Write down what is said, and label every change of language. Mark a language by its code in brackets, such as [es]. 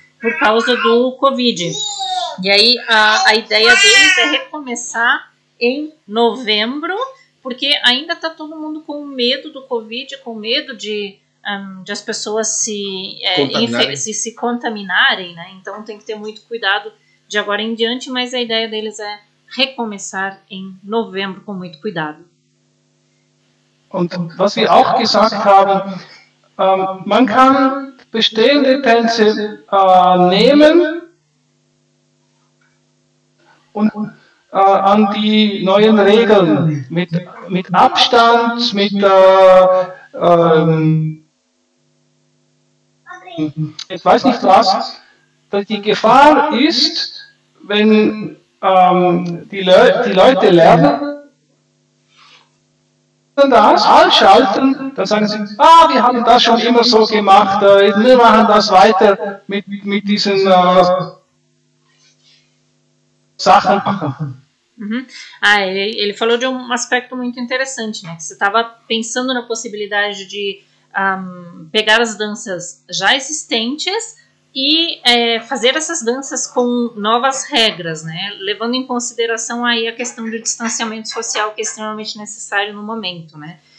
[pt] Por causa do Covid. E aí a ideia deles é recomeçar em novembro, porque ainda está todo mundo com medo do Covid, com medo de as pessoas se contaminarem, né? Então tem que ter muito cuidado de agora em diante, mas a ideia deles é recomeçar em novembro com muito cuidado. [de] Und was wir auch gesagt haben, man kann bestehende Tänze nehmen und an die neuen Regeln mit Abstand, ich weiß nicht was, dass die Gefahr ist, wenn die Leute lernen, das anschalten, dann sagen sie, wir haben das schon immer so gemacht, wir machen das weiter mit diesen Sachen. Uhum. [pt] Ah, ele falou de um aspecto muito interessante, né? Que você estava pensando na possibilidade de pegar as danças já existentes e fazer essas danças com novas regras, né? Levando em consideração aí a questão do distanciamento social, que é extremamente necessário no momento, né?